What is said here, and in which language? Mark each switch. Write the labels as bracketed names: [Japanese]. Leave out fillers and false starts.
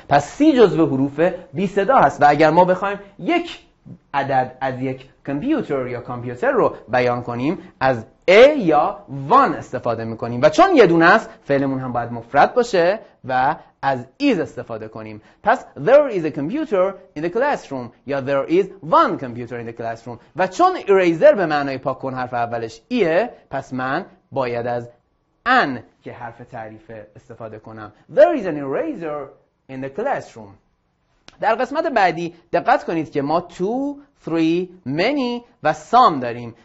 [Persian] پس سی جزو حروف بی صدا هست و اگر ما بخوایم یک عدد از یک کامپیوتر یا کامپیوتر رو بیان کنیم، از A یا One استفاده میکنیم. و چون یه دونه است، فعلمون هم باید مفرد باشه و از is استفاده کنیم. [English] پس there is a computer in the classroom یا there is one computer in the classroom. [Persian] و چون eraser به معنای پاکن حرف اولش ایه، پس من باید از an که حرف تعریفه استفاده کنم. [English] There is an eraser in the classroom. [Persian] در قسمت بعدی دقت کنید که ما two, three, many و some داریم.